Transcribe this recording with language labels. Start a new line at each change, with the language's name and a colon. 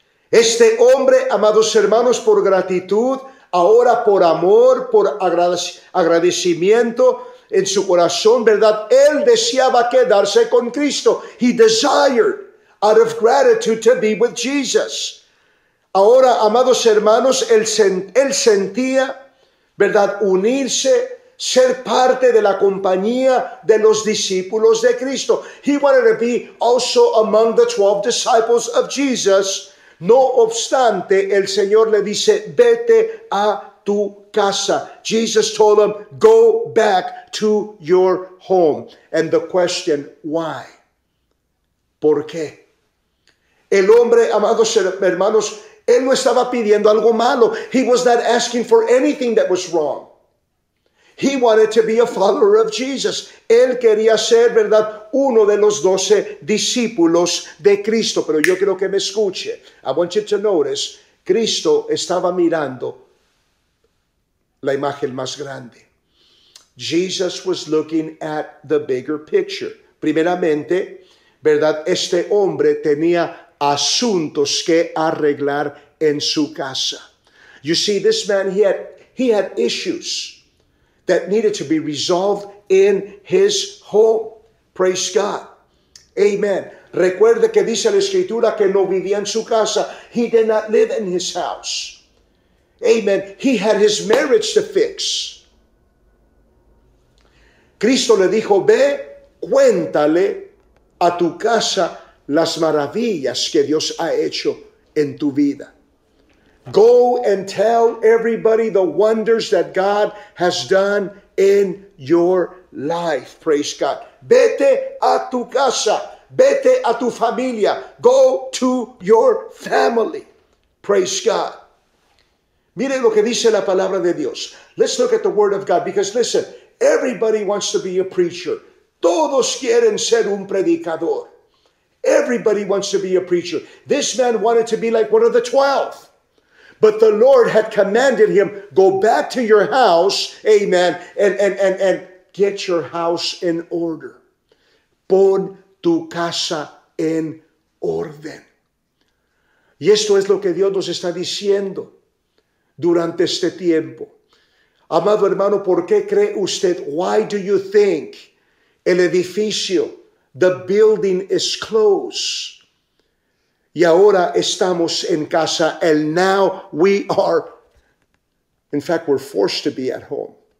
Spanish: Este hombre, amados hermanos, por gratitud, ahora por amor, por agradecimiento en su corazón, ¿verdad? Él deseaba quedarse con Cristo.
English: He desired out of gratitude to be with Jesus.
Spanish: Ahora, amados hermanos, él sentía, ¿verdad? Unirse ser parte de la compañía de los discípulos de Cristo.
English: He wanted to be also among the 12 disciples of Jesus.
Spanish: No obstante, el Señor le dice, vete a tu casa.
English: Jesus told him, go back to your home. And the question, why?
Spanish: ¿Por qué? El hombre, amados hermanos, él no estaba pidiendo algo malo.
English: He was not asking for anything that was wrong. He wanted to be a follower of Jesus.
Spanish: Él quería ser, ¿verdad?, uno de los 12 discípulos de Cristo. Pero yo quiero que me escuche.
English: I want you to notice,
Spanish: Cristo estaba mirando la imagen más grande.
English: Jesus was looking at the bigger picture.
Spanish: Primeramente, ¿verdad?, este hombre tenía asuntos que arreglar en su casa.
English: You see, this man, he had issues that needed to be resolved in his home. Praise God. Amen.
Spanish: Recuerde que dice la escritura que no vivía en su casa.
English: He did not live in his house. Amen. He had his marriage to fix.
Spanish: Cristo le dijo, ve, cuéntale a tu casa las maravillas que Dios ha hecho en tu vida.
English: Go and tell everybody the wonders that God has done in your life. Praise God.
Spanish: Vete a tu casa. Vete a tu familia.
English: Go to your family. Praise God.
Spanish: Mire lo que dice la palabra de Dios.
English: Let's look at the word of God. Because listen, everybody wants to be a preacher.
Spanish: Todos quieren ser un predicador.
English: Everybody wants to be a preacher. This man wanted to be like one of the 12. But the Lord had commanded him, go back to your house, amen, and get your house in order.
Spanish: Pon tu casa en orden. Y esto es lo que Dios nos está diciendo durante este tiempo. Amado hermano, ¿por qué cree usted?
English: Why do you think
Spanish: el edificio,
English: the building is closed?
Spanish: Y ahora estamos en casa,
English: and now we are, in fact, we're forced to be at home.